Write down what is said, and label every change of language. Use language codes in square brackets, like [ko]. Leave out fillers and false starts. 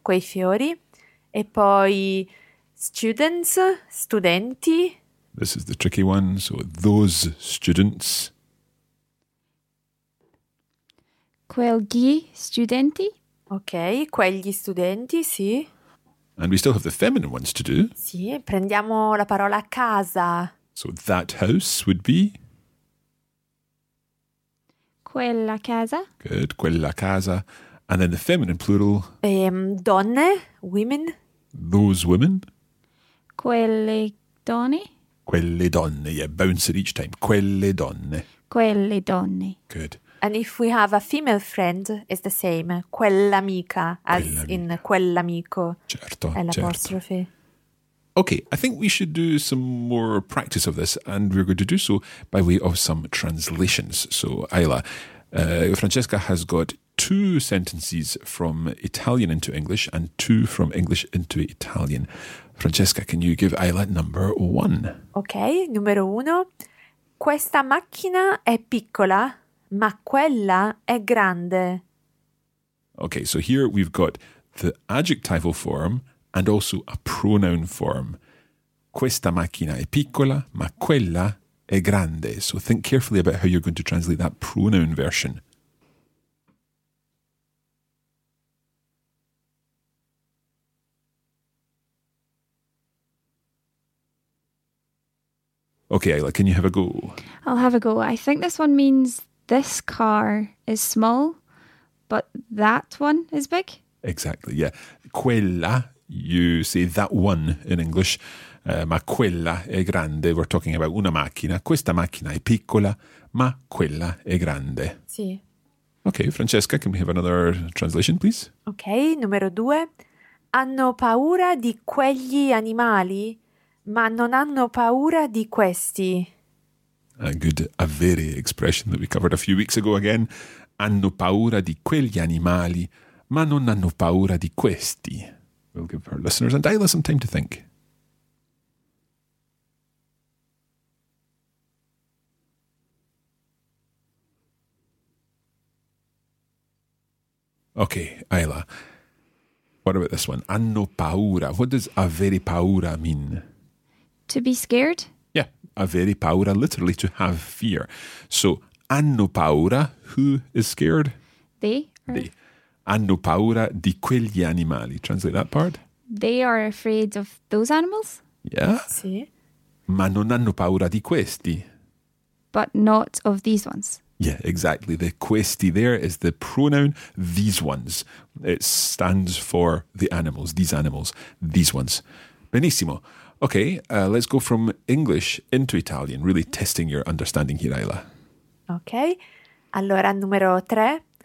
[it] Quei fiori. E poi students, studenti. [en] This is the tricky one. So those students. [it] Quegli studenti. Ok, quegli studenti, sì. [en] And we still have the feminine ones to do. [it] Sì, prendiamo la parola casa. [en] So that house would be? [it] Quella casa. [en] Good, [it] quella casa. [en] And then the feminine plural? [it] Donne, women. [en] Those women? [it] Quelle donne. Quelle donne, [en] yeah, bounce it each time. Quelle donne. [it] Quelle donne. [en] Good. And if we have a female friend, it's the same. [it] Quell'amica, as quell'amica. In quell'amico. Certo, è l'apostrofe. [en] Okay, I think we should do some more practice of this, and we're going to do so by way of some translations. So, Ayla, Francesca has got two sentences from Italian into English and two from English into Italian. Francesca, can you give Ayla number one? [it] Okay, numero uno. Questa macchina è piccola, ma quella è grande. [en] Okay, so here we've got the adjectival form and also a pronoun form. [it] Questa macchina è piccola, ma quella è grande. [en] So think carefully about how you're going to translate that pronoun version. Okay, Ayla, can you have a go? I'll have a go. I think this one means this car is small, but that one is big. Exactly, yeah. Quella, you say that one in English, [it] ma quella è grande. [en] We're talking about una macchina. Questa macchina è piccola, ma quella è grande. [it] Sì. [en] Okay, Francesca, can we have another translation, please? [it] Okay, numero due. Hanno paura di quegli animali? Ma non hanno paura di questi. [en] A good, a very expression that we covered a few weeks ago again. [it] Hanno paura di quegli animali, ma non hanno paura di questi. [en] We'll give our listeners and Ayla some time to think. Okay, Ayla, what about this one? [it] Hanno paura. [en] What does avere paura mean? To be scared? Yeah, avere paura, literally to have fear. So, [it] hanno paura, [en] who is scared? They. [it] Hanno paura di quegli animali. [en] Translate that part. They are afraid of those animals? Yeah. [it] Sì. Ma non hanno paura di questi. [en] But not of these ones. Yeah, exactly. The questi there is the pronoun, these ones. It stands for the animals, these animals, these ones. Benissimo. Okay, let's go from English into Italian, really testing your understanding here, Ayla. [it] Okay, allora numero tre.